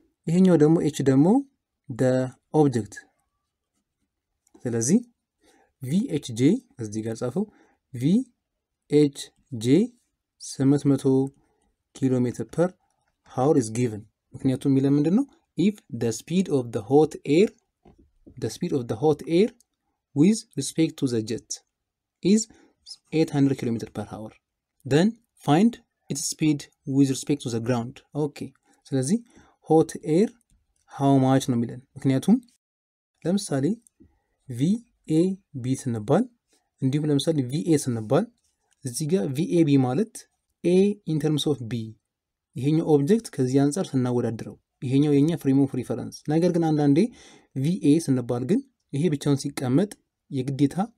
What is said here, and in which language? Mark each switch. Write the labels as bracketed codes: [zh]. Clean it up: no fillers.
[am] ይሄኛው ደግሞ ኤች ደግሞ ደ ኦብጀክት። ስለዚህ ቪ ኤች ጄ እዚህ ጋር ጻፈው፣ ቪ ኤች ጄ [en] 800 ኪሎ ሜትር ፐር ሃወር ኢዝ ጊቨን። [am] ምክንያቱም የሚለው ምንድን ነው? [en] ኢፍ ደ ስፒድ ኦፍ ደ ሆት ኤር the speed of the hot air with respect to the jet is 800 km per hour then find its speed with respect to the ground. [am] okay ስለዚ hot air how much ነው የሚለን። ምክንያቱም ለምሳሌ vab ስንባል እንዲሁም ለምሳሌ va ስንባል እዚህ ጋር vab ማለት [en] a in terms of b [am] ይሄኛው ኦብጀክት ከዚህ አንፃር ስናወዳድረው ይሄኛው የኛ ፍሬም ኦፍ ሪፈረንስ። ነገር ግን አንዳንዴ VA ስንባል ግን ይሄ ብቻውን ሲቀመጥ የግዴታ